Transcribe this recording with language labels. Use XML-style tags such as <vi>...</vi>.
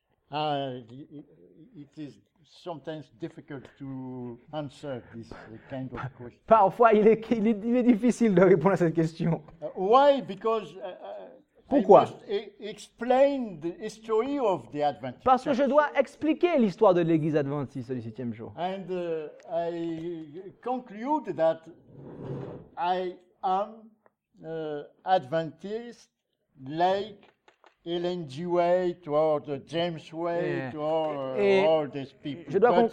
<en>It is sometimes difficult to answer this kind of question.</en> <fr>Parfois, il est difficile de répondre à cette question.</fr> <en>Why? Because</en> <fr>pourquoi?</fr> <en>Explain the history of the Adventist.</en> <fr>Parce que je dois expliquer l'histoire de l'Église adventiste du septième jour.</fr> <en>And I conclude that I am Adventist like Ellen G. White or James White or all these people.</en>